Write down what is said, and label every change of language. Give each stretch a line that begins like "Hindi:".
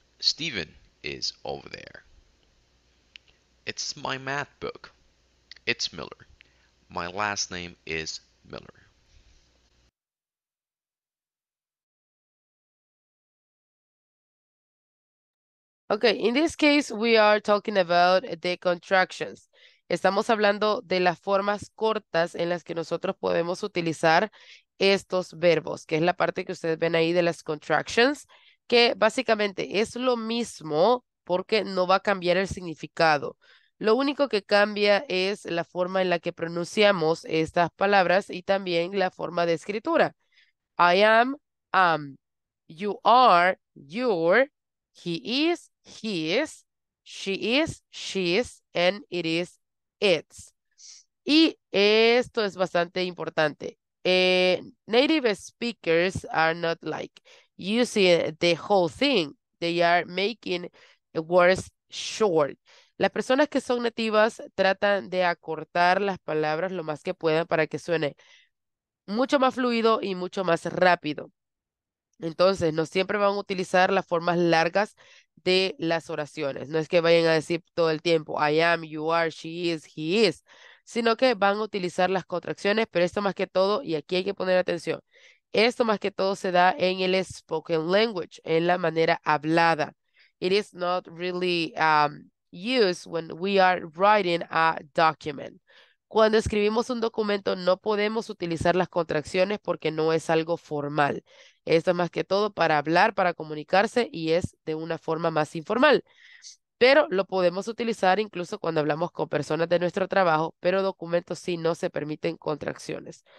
English: Steven is over there. It's my math book. It's Miller. My last name is Miller. Okay, in this case, we are talking about the contractions.
Spanish: Estamos hablando de las formas cortas en las que nosotros podemos utilizar estos verbos, que es la parte que ustedes ven ahí de las contractions, que básicamente es lo mismo porque no va a cambiar el significado. Lo único que cambia es la forma en la que pronunciamos estas palabras y también la forma de escritura.
English: I am, am. You are, you're. He is. She is, and it is, it's.
Spanish: Y esto es bastante importante.
English: Native speakers are not like using the whole thing. They are making words short.
Spanish: Las personas que son nativas tratan de acortar las palabras lo más que puedan para que suene mucho más fluido y mucho más rápido. Entonces, no siempre van a utilizar las formas largas de las oraciones. No es que vayan a decir todo el tiempo,
English: I am, you are, she is, he is,
Spanish: sino que van a utilizar las contracciones, pero esto más que todo, y aquí hay que poner atención, esto más que todo se da en el
English: spoken language,
Spanish: en la manera hablada.
English: It is not really used when we are writing a document.
Spanish: Cuando escribimos un documento, no podemos utilizar las contracciones porque no es algo formal. Esto es más que todo para hablar, para comunicarse, y es de una forma más informal. Pero lo podemos utilizar incluso cuando hablamos con personas de nuestro trabajo, pero documentos sí no se permiten contracciones.